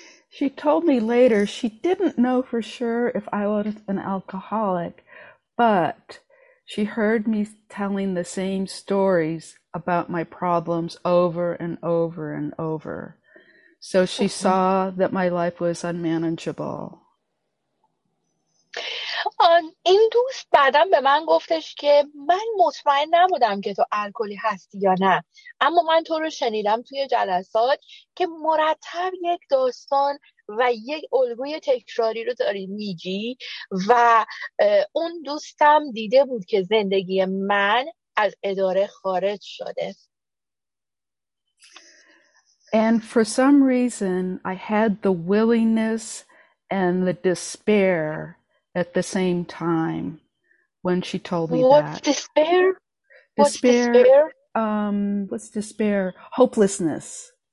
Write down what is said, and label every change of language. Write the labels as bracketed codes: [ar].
[en] She told me later she didn't know for sure if I was an alcoholic, but she heard me telling the same stories about my problems over and over and over. So she saw that my life was unmanageable. [fa] این دوست بعدم به من گفتش که من مطمئن نبودم که تو الکلی هستی یا نه، اما من تو رو شنیدم توی جلسات که مرتب یک داستان و یک الگوی تکراری رو داری میگی، و اون دوستم دیده بود که زندگی من از اداره خارج شده. [en] And for some reason I had the willingness and the despair at the same time when she told me that. Despair? What's despair? Hopelessness.